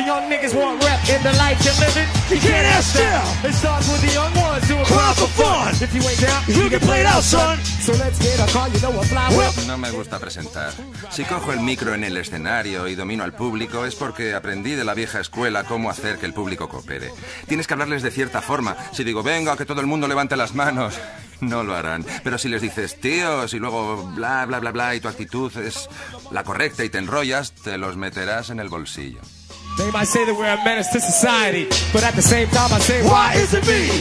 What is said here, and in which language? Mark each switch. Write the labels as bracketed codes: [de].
[en] Young niggas want rap in the life you're living. You can't ask them. It starts with the young ones doing crime for fun. If you ain't down, you can play it out, son. So let's get a car, you know a fly. Well, [es] no me gusta presentar. Si cojo el micro en el escenario y domino al público es porque aprendí de la vieja escuela cómo hacer que el público coopere. Tienes que hablarles de cierta forma. Si digo, venga, que todo el mundo levante las manos, no lo harán. Pero si les dices, tíos, y luego bla, bla, bla, bla, y tu actitud es la correcta y te enrollas, te los meterás en el bolsillo. [en] They might say that we're a menace to society, but at the same time I say, why is it me?